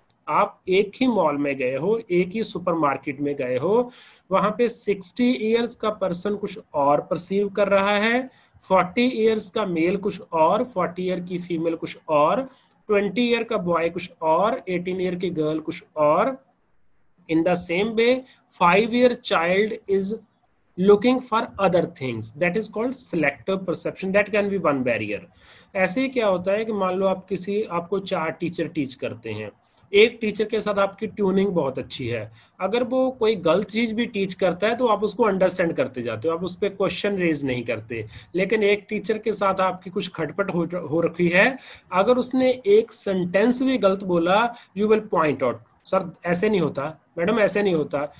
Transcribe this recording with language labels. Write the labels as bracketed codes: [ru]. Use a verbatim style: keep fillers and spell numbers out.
[hi] आप एक ही मॉल में गए हो, एक ही सुपरमार्केट में गए हो, वहां पे सिक्सटी इयर्स का पर्सन कुछ और परसीव कर रहा है, फोर्टी इयर्स का मेल कुछ और, फोर्टी ईयर की फीमेल कुछ और, ट्वेंटी ईयर का बॉय कुछ और, एटीन ईयर की गर्ल कुछ और। [en] In the same way five year child is looking for other things. That is called selective perception. That can be one barrier. [hi] ऐसे ही क्या होता है कि मान लो आप किसी आपको चार टीचर टीच करते हैं, एक टीचर के साथ आपकी ट्यूनिंग बहुत अच्छी है, अगर वो कोई गलत चीज भी टीच करता है तो आप उसको अंडरस्टैंड करते जाते हो, आप उस पर क्वेश्चन रेज नहीं करते। लेकिन एक टीचर के साथ आपकी कुछ खटपट हो, हो रखी है, अगर उसने एक सेंटेंस भी गलत बोला [en] you will point out, [hi] sir ऐसे नहीं होता, मैडम ऐसे नहीं होता।